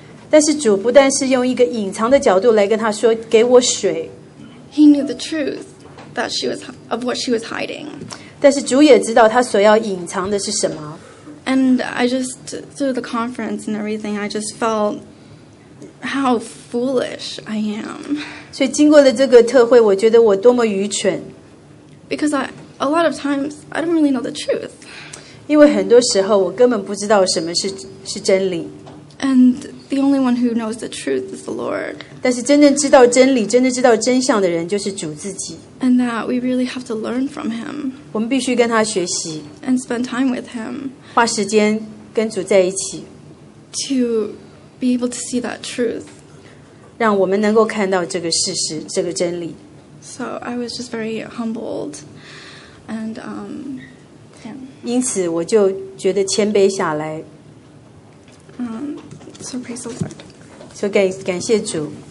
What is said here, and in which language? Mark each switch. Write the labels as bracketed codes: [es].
[zh] 但是主不但是用一个隐藏的角度来跟她说，给我水。 [en] He knew the truth. That she was of what she was hiding. And I just through the conference and everything, I just felt how foolish I am. [zh] 所以经过了这个特会，我觉得我多么愚蠢。 [en] Because a lot of times I don't really know the truth. [zh] 因为很多时候我根本不知道什么是真理。 [en] And the only one who knows the truth is the Lord. [zh] 但是真正知道真理，真正知道真相的人就是主自己。 [en] And that we really have to learn from him. [zh] 我们必须跟他学习 [en] and spend time with him. [zh] 花时间跟主在一起 [en] to be able to see that truth. [zh] 让我们能够看到这个事实，这个真理。 [en] So I was just very humbled, and yeah. [zh] 因此我就觉得谦卑下来。 [en] So praise the Lord. So [zh] 感谢主。